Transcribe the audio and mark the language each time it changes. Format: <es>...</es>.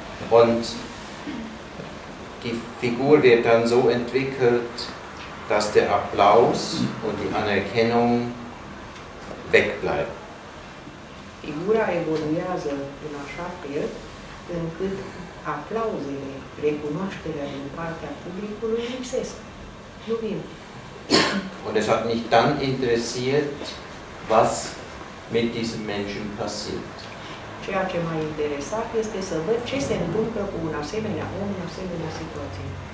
<de>Und die Figur wird dann so entwickelt, dass der Applaus und die Anerkennung wegbleiben.</de> <ro>Figura evoluează în așa fel încât aplauzele, recunoașterea din partea publicului lipsesc. Nu vin.</ro> <de>Und es hat mich dann interessiert, was mit diesem Menschen passiert.</de> <ro>Ceea ce m-a interesat este să văd ce se întâmplă cu un asemenea om în asemenea situație.</ro>